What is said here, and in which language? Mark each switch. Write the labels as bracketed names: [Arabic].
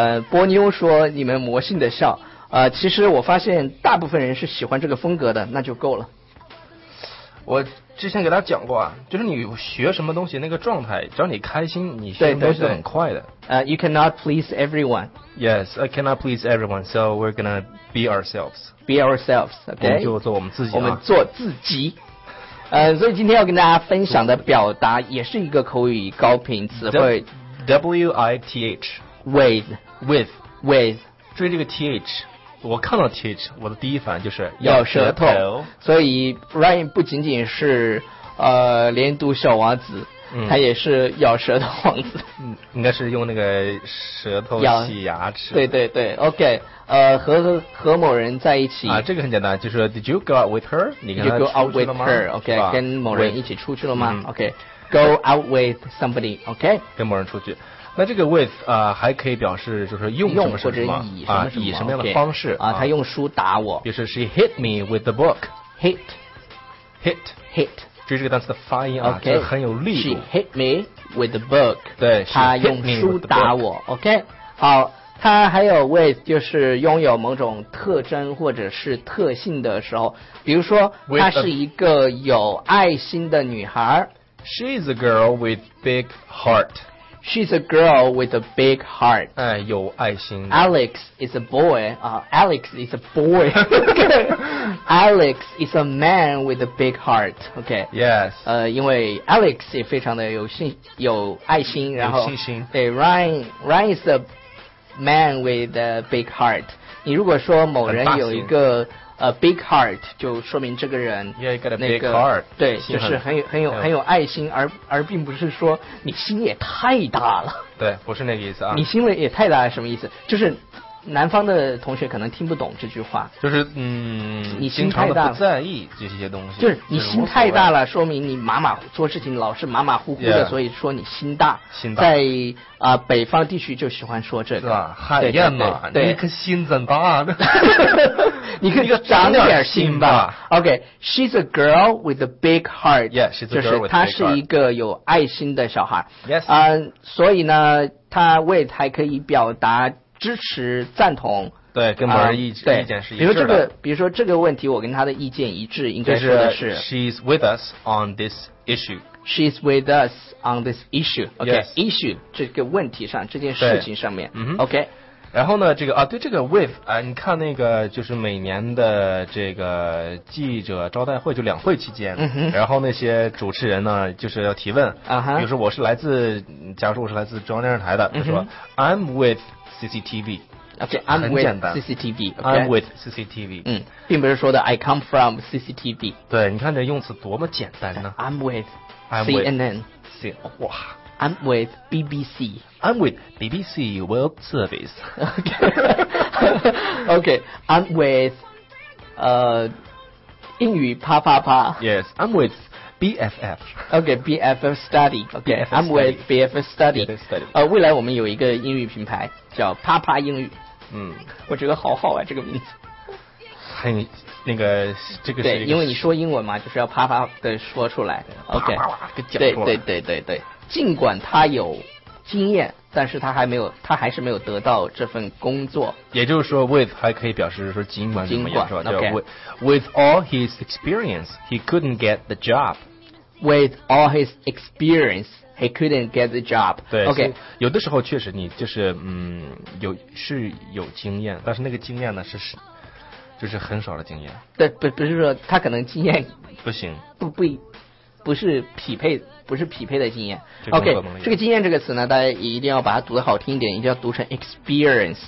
[Chinese] 波妞说你们魔性的笑。其实我发现大部分人是喜欢这个风格的，那就够了。我之前给大家讲过啊，就是你学什么东西那个状态，只要你开心，你学东西很快的。 [English] You cannot please everyone. Yes, I cannot please everyone. So we're gonna be ourselves. Be ourselves. Okay. [Chinese] 我们就做我们自己、啊。我们做自己。所以今天要跟大家分享的表达也是一个口语高频词汇。 [English] With. With. With. With. [Chinese] 追这个 th, 我看到 th, 我的第一反应就是咬舌头。所以 Ryan 不仅仅是连读小王子。他也是咬舌头王子，应该是用那个舌头洗牙齿。对对对 ，OK, 和某人在一起啊，这个很简单，就是 [English] Did you go out with her? [Chinese] 你跟他出去了吗 ？ [English] Did you go out with her? [Chinese] OK, 跟某人一起出去了吗、嗯、 [English] ？OK, go out with somebody. OK, [Chinese] 跟某人出去。那这个 with 啊、还可以表示就是用什么或者以什么什么、啊、以什么样的方式 okay, 啊？他用书打我， [English] 就是 she hit me with the book. Hit. [Chinese] 就是这个单词的发音啊， [English] okay, [Chinese] 就很有力度。 [English] She hit me with the book. [Chinese] 对，他用书打我。 OK, 好，他还有 with 就是拥有某种特征或者是特性的时候，比如说她是一个有爱心的女孩。 [English] She's a girl with big heart. She's a girl with a big heart. [Chinese] 哎，有爱心。 [English] Alex is a boy. Alex is a boy. Alex is a man with a big heart. OK. Yes. [Chinese] 因为 Alex 也非常的有爱心，然后有信心。 [English] 对 ，Ryan is a man with a big heart. [Chinese] 你如果说某人有一个big heart, 就说明这个人 [English] yeah, got a big heart. [Chinese] 对，就是很有爱心，而并不是说你心也太大了。对，不是那个意思啊。你心也太大是什么意思？就是。南方的同学可能听不懂这句话，就是嗯，你心太大，不在意这些东西，就是你心太大了，说明你马马做事情老是马马虎虎的， [English] yeah, [Chinese] 所以说你心大。心大，在北方地区就喜欢说这个，海燕嘛，你可心真大，你可长点心吧。 [English] Okay, she's a girl with a big heart. Yeah, she's a girl with a big heart. [Chinese] 就是她是一个有爱心的小孩。 [English] Yes. [Chinese] 所以呢，她 with 还可以表达。支持赞同对跟某人意见是一致的比如说这个问题我跟他的意见一致应该说的 [English] 是 She's with us on this issue She's with us on this issue OK、 yes. [Chinese] issue 这个问题上这件事情上面、嗯、 [English] OK [Chinese] 然后呢这个啊，对这个 with 啊，你看那个就是每年的这个记者招待会就两会期间、嗯、然后那些主持人呢就是要提问、 uh-huh. 比如说我是来自假如说我是来自中央电视台的他说、嗯、 [English] I'm withCCTV, okay, I'm with CCTV. Okay. I'm with CCTV. 嗯，并不是说的 I come from CCTV. 对，你看这用词多么简单呢。 I'm with CNN. I'm with BBC. I'm with BBC World Service. Okay. okay. I'm with 英语啪啪啪。 Yes, I'm with. BFF OK BFF Study OK BFF I'm with BFF Study, BFF study. [Chinese] 未来我们有一个英语品牌叫啪啪英语嗯我觉得好好啊这个名字很那个这个是对因为你说英文嘛就是要啪啪的说出来 OK 啪啪啪对对对对对尽管他有经验但是他还没有，他还是没有得到这份工作。也就是说 with 还可以表示说尽管怎么样，是吧？ [English] Okay. With all his experience, he couldn't get the job. With all his experience, he couldn't get the job. [Chinese] 对 [English] ，OK。 [Chinese] 有的时候确实你就是有是有经验，但是那个经验呢是就是很少的经验。对，不是说他可能经验不行，不是匹配的经验。 OK， 这个经验这个词呢，大家一定要把它读得好听一点，一定要读成 experience。